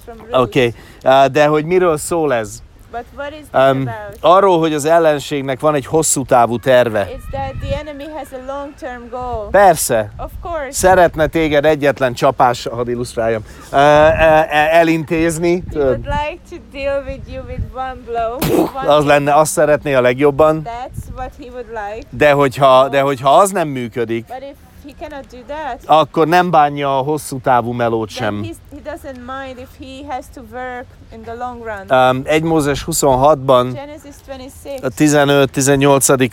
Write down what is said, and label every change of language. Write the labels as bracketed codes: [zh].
[hu] Oké, de hogy miről szól ez? [en] But what is that about? [hu] Arról, hogy az ellenségnek van egy hosszú távú terve. [en] It's that the enemy has a long-term goal. [hu] Persze. [en] Of course. [hu] Szeretne téged egyetlen csapás, hadd illusztráljam, elintézni. [en] He would like to deal with you with one blow. [hu] Az lenne, azt szeretné a legjobban. [en] That's what he would like. [hu] De hogyha az nem működik, [en] he cannot do that. [hu] Akkor nem bánja a hosszú távú melót sem. [en] He doesn't mind if he has to work in the long run. [hu] 1 Mózes 26-ban a 15-18.